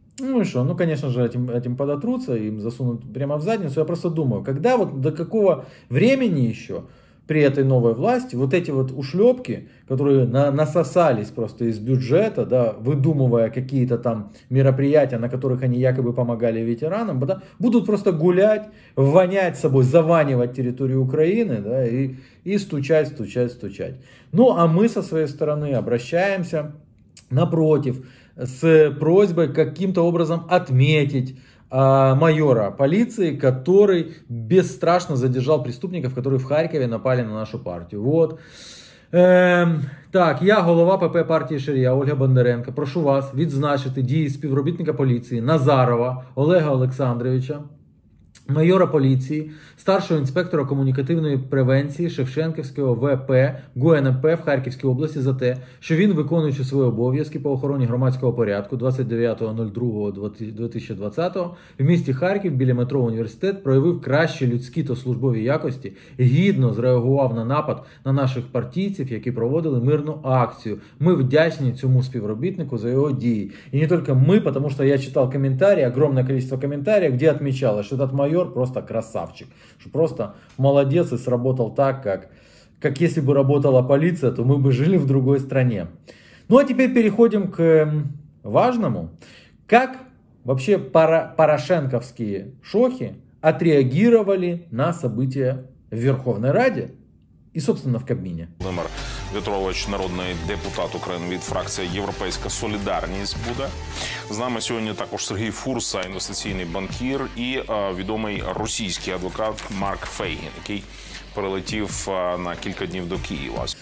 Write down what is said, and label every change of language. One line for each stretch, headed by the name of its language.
Russian: Ну и что, ну, конечно же, этим подотрутся, им засунут прямо в задницу, я просто думаю, когда вот, до какого времени еще при этой новой власти вот эти вот ушлепки, которые насосались просто из бюджета, да, выдумывая какие-то там мероприятия, на которых они якобы помогали ветеранам, да, будут просто гулять, вонять собой, заванивать территорию Украины, да, и стучать, стучать, стучать. Ну а мы со своей стороны обращаемся напротив с просьбой каким-то образом отметить майора полиции, который бесстрашно задержал преступников, которые в Харькове напали на нашу партию. Вот.
Ukrainian: Так, я голова ПП партії Шарія Ольга Бондаренко. Прошу вас відзначити дії співробітника поліції Назарова Олега Олександровича, майора поліції, старшого інспектора комунікативної превенції Шевченківського ВП ГУНП в Харківській області за те, що він, виконуючи свої обов'язки по охороні громадського порядку 29.02.2020 в місті Харків біля метро «Університет», проявив кращі людські та службові якості, гідно зреагував на напад на наших партійців, які проводили мирну акцію. Ми вдячні цьому співробітнику за його дії. І не тільки ми, тому що я читав коментарі, огромне кількість коментарі, де відмічали, що цей майор просто красавчик,
Russian: что просто молодец и сработал так, как если бы работала полиция, то мы бы жили в другой стране. Ну а теперь переходим к важному. Как вообще порошенковские шохи отреагировали на события в Верховной Раде и, собственно, в Кабмине?
Ukrainian: Владимир Вітрович, народний депутат України від фракції «Європейська солідарність» буде. З нами сьогодні також Сергій Фурса, інвестиційний банкір і відомий російський адвокат Марк Фейгін, який прилетів на кілька днів до Києва.